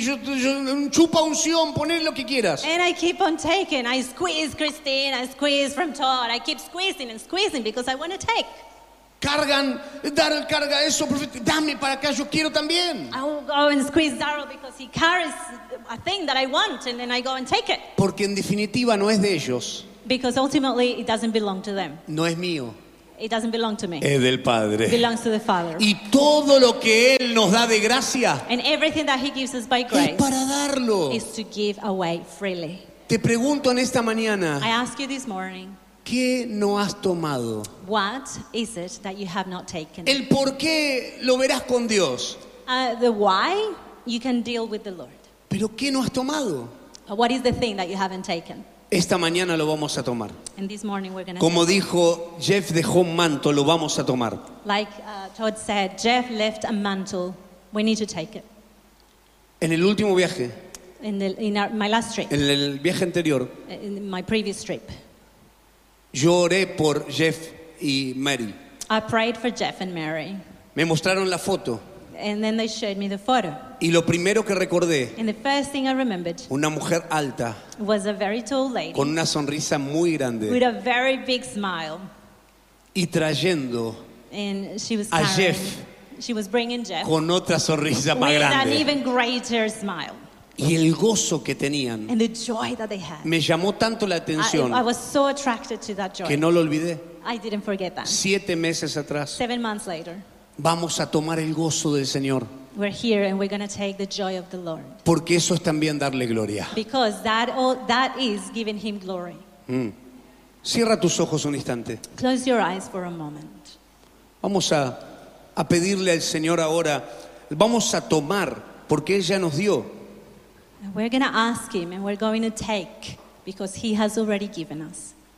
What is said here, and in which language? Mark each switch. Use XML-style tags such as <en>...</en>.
<es>Yo chupa unción, poner lo que quieras.</es> <en>And I keep on taking. I squeeze Christine. I squeeze from Todd. I keep squeezing and squeezing because I want to take.</en> <es>Cargan, Darrell carga eso. Profeta, dame para acá. Yo quiero también.</es> <en>I will go and squeeze Darrell because he carries a thing that I want, and then I go and take it.</en> <es>Porque en definitiva no es de ellos.</es> <en>Because ultimately it doesn't belong to them.</en> <es>No es mío.</es> <en>It doesn't belong to me.</en> <es>Es del Padre.</es> <en>It belongs to the Father.</en> <es>Y todo lo que Él nos da de gracia,</es> <en>and everything that He gives us by grace,</en> <es>es para darlo.</es> <en>Is to give away freely.</en> <es>Te pregunto en esta mañana,</es> <en>I ask you this morning,</en> <es>¿qué no has tomado?</es> <en>What is it that you have not taken?</en> <es>El por qué lo verás con Dios.</es> <en>The why you can deal with the Lord.</en> <es>¿Pero qué no has tomado?</es> <en>What is the thing that you haven't taken?</en> <es>Esta mañana lo vamos a tomar.</es> <en>And this morning we're gonna,</en> <es>como dijo Jeff, dejó un manto, lo vamos a tomar.</es> <en>Like Todd said, Jeff left a mantle. We need to take it.</en> <es>En el último viaje.</es> <en>In my last trip.</en> <es>En el viaje anterior.</es> <en>In my previous trip.</en> <es>Yo oré por Jeff y Mary.</es> <en>I prayed for Jeff and Mary.</en> <es>Me mostraron la foto.</es> <en>And then they showed me the photo.</en> <es>Y lo primero que recordé,</es> <en>and the first thing I remembered,</en> <es>una mujer alta,</es> <en>was a very tall lady,</en> <es>con una sonrisa muy grande,</es> <en>with a very big smile,</en> <es>y trayendo,</es> <en>and she was carrying, a Jeff, she was bringing Jeff,</en> <es>con otra sonrisa más</es> <en>with</en> <es>grande,</es> <en>an even greater smile.</en> <es>Y el gozo que tenían,</es> <en>and the joy that they had,</en> <es>me llamó tanto la atención,</es> <en>I was so attracted to that joy,</en> <es>que no lo olvidé.</es> <en>I didn't forget that.</en> <es>7 meses atrás,</es> <en>7 months later,</en> <es>vamos a tomar el gozo del Señor.</es> <en>We're here and we're going to take the joy of the Lord.</en> <es>Porque eso es también darle gloria.</es> <en>Because that is giving Him glory. Mm.</en> <es>Cierra tus ojos un instante.</es> <en>Close your eyes for a moment.</en> <es>Vamos a pedirle al Señor ahora. Vamos a tomar porque Él ya nos dio.</es> <en>We're going to ask Him and we're going to take because He has already given us.</en>